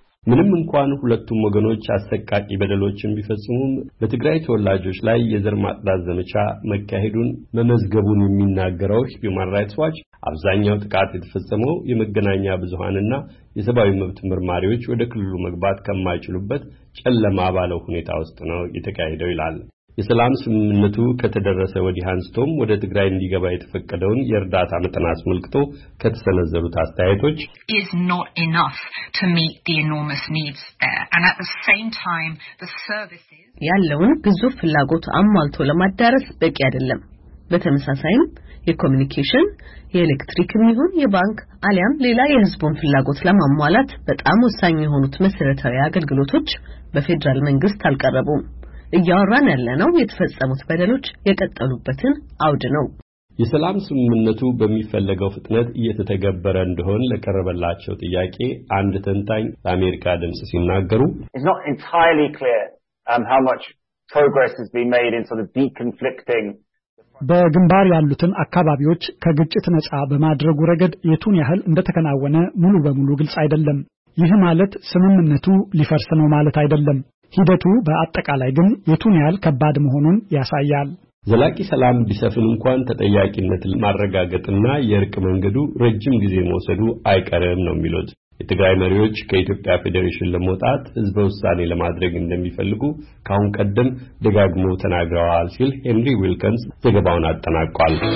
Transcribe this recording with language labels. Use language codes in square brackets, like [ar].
[am] ምንም እንኳን ሁለቱም ወገኖች አሰቃቂ በደሎችን ቢፈጽሙም በትግራይ ተወላጆች ላይ የዘር ማጥፋት ዘመቻ መካሄዱን መመዝገቡን የሚናገረው ሂዩማን ራይትስ ዋች አብዛኛው ጥቃት የተፈጸመው የመገናኛ ብዙሃንና የሰብአዊ መብት ምርማሪዎች ወደ ክልሉ መግባት ከማይችሉበት ጨለማ ባለው ሁኔታ ውስጥ ነው የተካሄደው ይላል። የሰላም ስምምነቱ ከተደረሰ ወዲህ አንስቶም ወደ ትግራይ እንዲገባ የተፈቀደውን የርዳታ መጠን አስመልክቶ ከተሰነዘሩት አስተያየቶች [en] is not enough to meet the enormous needs there and at the same time the services [am] ያለውን ግዙፍ ፍላጎት አሟልቶ ለማዳረስ በቂ አይደለም። በተመሳሳይም የኮሙኒኬሽን የኤሌክትሪክም ይሁን የባንክ አሊያም ሌላ የህዝቡን ፍላጎት ለማሟላት በጣም ወሳኝ የሆኑት መሰረታዊ አገልግሎቶች በፌደራል መንግስት አልቀረቡም። እያወራን ያለነው የተፈጸሙት በደሎች የቀጠሉበትን አውድ ነው። የሰላም ስምምነቱ በሚፈለገው ፍጥነት እየተተገበረ እንደሆን ለቀረበላቸው ጥያቄ አንድ ተንታኝ ለአሜሪካ ድምጽ ሲናገሩ [en] It's not entirely clear how much progress has been made in sort of deconflicting [am] በግንባር ያሉትን አካባቢዎች ከግጭት ነጻ በማድረጉ ረገድ የቱን ያህል እንደተከናወነ ሙሉ በሙሉ ግልጽ አይደለም። ይህ ማለት ስምምነቱ ሊፈርስ ነው ማለት አይደለም። ሂደቱ በአጠቃላይ ግን የቱን ያህል ከባድ መሆኑን ያሳያል። ዘላቂ ሰላም ቢሰፍን እንኳን ተጠያቂነት ማረጋገጥና የርቅ መንገዱ ረጅም ጊዜ መውሰዱ አይቀርም ነው የሚሉት። የትግራይ መሪዎች ከኢትዮጵያ ፌዴሬሽን ለመውጣት ህዝበ ውሳኔ ለማድረግ እንደሚፈልጉ ካሁን ቀደም ደጋግሞ ተናግረዋል ሲል ሄንሪ ዊልከንስ ዘገባውን አጠናቅቋል።